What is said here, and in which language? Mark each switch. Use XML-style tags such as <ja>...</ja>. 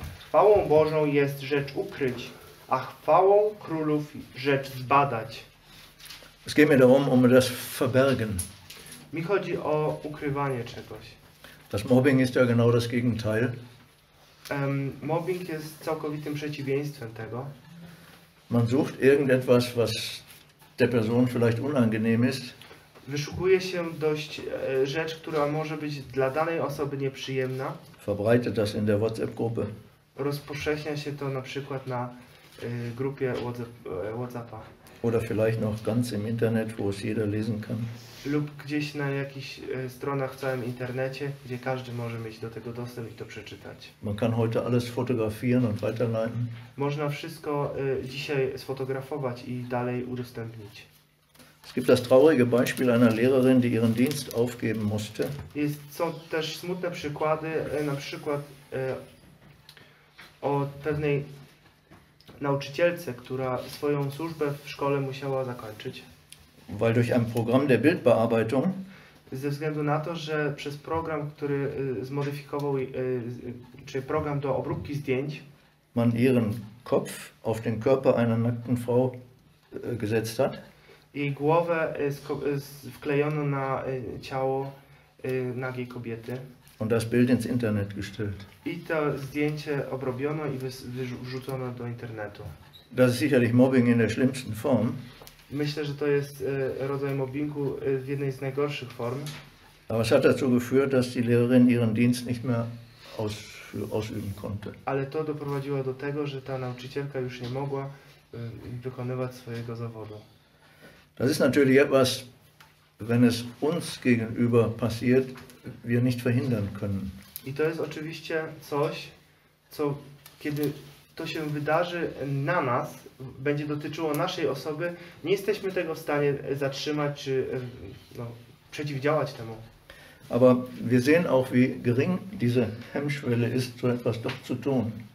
<pl>Chwałą Bożą jest rzecz ukryć, a chwałą królów rzecz zbadać.</pl> <de>Es geht mir darum, um das verbergen.</de> <pl>Mi chodzi o ukrywanie czegoś.</pl> <de>Das Mobbing ist ja genau das Gegenteil.</de> <pl>Mobbing jest całkowitym przeciwieństwem tego.</pl> <de>Man sucht irgendetwas, was der Person vielleicht unangenehm ist.</de> <pl>Wyszukuje się dość rzecz, która może być dla danej osoby nieprzyjemna.</pl> <de>verbreitet das in der WhatsApp-Gruppe.</de> <pl>Rozpowszechnia się to na przykład na grupie WhatsAppa.</pl> <de>Oder vielleicht noch ganz im Internet, wo es jeder lesen kann.</de> <pl>Lub gdzieś na jakichś stronach w całym internecie, gdzie każdy może mieć do tego dostęp i to przeczytać.</pl> <de>Man kann heute alles fotografieren und weiterleiten.</de> <pl>Można wszystko dzisiaj sfotografować i dalej udostępnić.</pl> <de>Es gibt das traurige Beispiel einer Lehrerin, die ihren Dienst aufgeben musste.</de> <pl>Jest, są też smutne przykłady, na przykład o pewnej nauczycielce, która swoją służbę w szkole musiała zakończyć.</pl> <de>Weil durch ein Programm der Bildbearbeitung,</de> <pl>ze względu na to, że przez program, który zmodyfikował, czy program do obróbki zdjęć,</pl> <de>man ihren Kopf auf den Körper einer nackten Frau gesetzt hat,</de> <pl>jej głowę wklejono na ciało nagiej kobiety.</pl> <de>Und das Bild ins Internet gestellt.</de> <pl>I to zdjęcie obrobiono i wrzucono do internetu.</pl> <de>Das ist sicherlich Mobbing in der schlimmsten Form.</de> <pl>Myślę, że to jest rodzaj mobbingu w jednej z najgorszych form.</pl> <de>Aber es hat dazu geführt, dass die Lehrerin ihren Dienst nicht mehr ausüben konnte.</de> <pl>Ale to doprowadziło do tego, że ta nauczycielka już nie mogła wykonywać swojego zawodu.</pl> <de>Das ist natürlich etwas, wenn es uns gegenüber passiert, wir nicht verhindern können.</de> <pl>I to jest oczywiście coś, co kiedy to się wydarzy na nas, będzie dotyczyło naszej osoby, nie jesteśmy tego w stanie zatrzymać czy przeciwdziałać temu.</pl> <de>Aber wir sehen auch, wie gering diese Hemmschwelle ist, so etwas doch zu tun.</de>